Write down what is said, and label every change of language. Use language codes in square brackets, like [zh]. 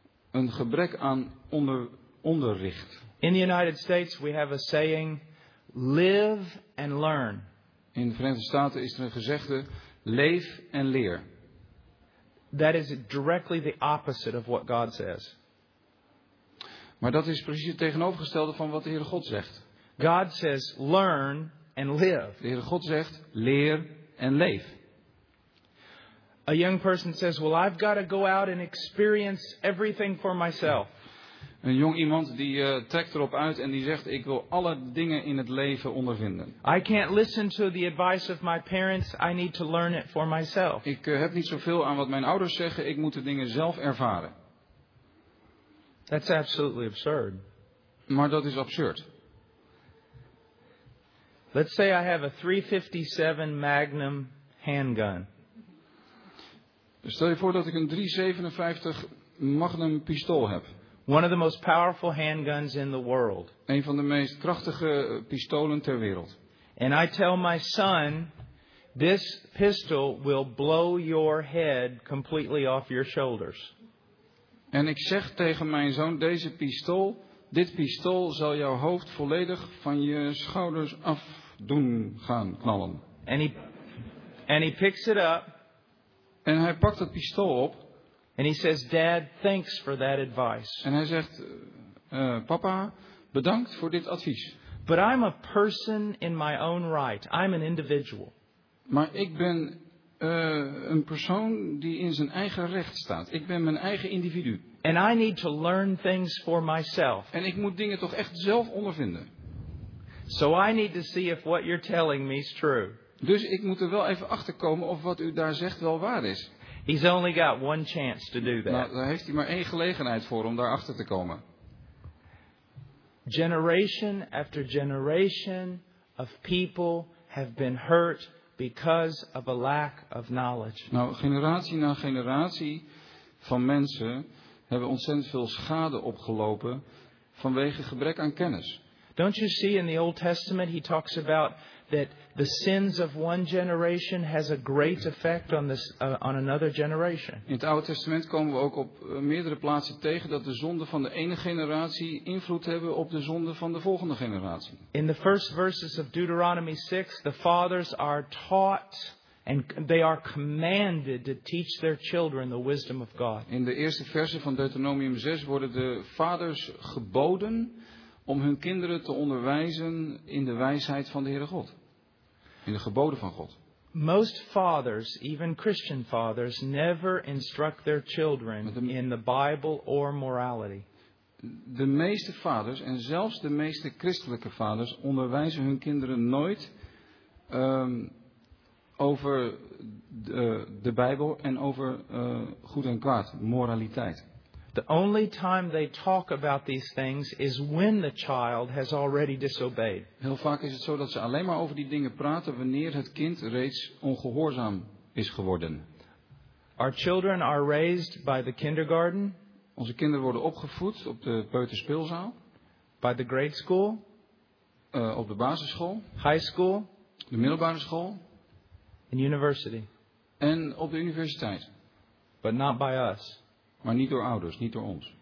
[nl] Een gebrek aan onderricht. [en] In the United States we have a saying, live and learn. [nl] In de Verenigde Staten is er een gezegde: leef en leer. [en] That is directly the opposite of what God says. [nl] Maar dat is precies het tegenovergestelde van wat de Heere God zegt. [en] God says learn and live. [nl] De Heere God zegt leer en leef. [en] A young person says, well, I've got to go out and experience everything for myself. [nl] Een jong iemand die trekt erop uit en die zegt, ik wil alle dingen in het leven ondervinden. [en] I can't listen to the advice of my parents, I need to learn it for myself. [nl] Ik heb niet zoveel aan wat mijn ouders zeggen, ik moet de dingen zelf ervaren. [en] That's absolutely absurd. [nl] Maar dat is absurd. [en] Let's say I have a 357 Magnum handgun. [nl] Stel je voor dat ik een 357 Magnum pistool heb. [en] One of the most powerful handguns in the world. [nl] Een van de meest krachtige pistolen ter wereld. [en] And I tell my son, this pistol will blow your head completely off your shoulders. [nl] En ik zeg tegen mijn zoon, dit pistool zal jouw hoofd volledig van je schouders af doen gaan knallen. [en] And he picks it up. [nl] En hij pakt het pistool op. [en] And he says, Dad, thanks for that advice. [nl] En hij zegt, Papa, bedankt voor dit advies. [en] But I'm a person in my own right. I'm an individual. [nl] Maar ik ben een persoon die in zijn eigen recht staat. Ik ben mijn eigen individu. [en] And I need to learn things for myself. [nl] En ik moet dingen toch echt zelf ondervinden. [en] So I need to see if what you're telling me is true. [nl] Dus ik moet er wel even achter komen of wat u daar zegt wel waar is. [en] He's only got one chance to do that. [nl] Nou, daar heeft hij maar één gelegenheid voor om daar achter te komen. [en] Generation after generation of people have been hurt because of a lack of knowledge. [nl] Nou, generatie na generatie van mensen hebben ontzettend veel schade opgelopen vanwege gebrek aan kennis. [en] Don't you see in the Old Testament he talks about that the sins of one generation has a great effect on this on another generation. [nl] In het Oude Testament komen we ook op meerdere plaatsen tegen dat de zonden van de ene generatie invloed hebben op de zonden van de volgende generatie. [en] In the first verses of Deuteronomy 6, the fathers are taught and they are commanded to teach their children the wisdom of God. [nl] In de eerste verse van Deuteronomium 6 worden de vaders geboden om hun kinderen te onderwijzen in de wijsheid van de Heere God. In de geboden van God. [en] Most fathers, even Christian fathers, never instruct their children in the Bible or morality. [nl] De meeste vaders, en zelfs de meeste christelijke vaders, onderwijzen hun kinderen nooit over de Bijbel en over goed en kwaad, moraliteit. [en] The only time they talk about these things is when the child has already disobeyed. [nl] Heel vaak is het zo dat ze alleen maar over die dingen praten wanneer het kind reeds ongehoorzaam is geworden. [en] Our children are raised by the kindergarten. [nl] Onze kinderen worden opgevoed op de peuterspeelzaal. [en] By the grade school. [nl] Op de basisschool. [en] High school. [nl] De middelbare school. [en] And university. [nl] En op de universiteit. [en] But not by us. [nl] Maar niet door ouders, niet door ons.